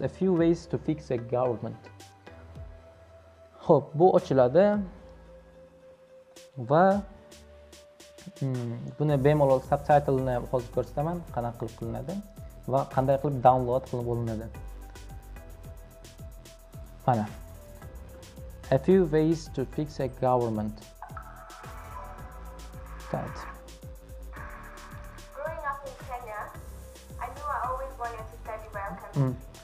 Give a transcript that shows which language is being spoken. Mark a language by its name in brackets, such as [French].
[English] A few ways to fix a government. [Uzbek] Xo'p, bu ochiladi. Va buni bemalol subtitle'ini hozir ko'rsataman, qanaqa qilib qilinadi va qanday qilib download qilib bo'linadi. Mana [English] A few ways to fix a government. Start. Growing up in Kenya, I knew I always wanted to study welcome.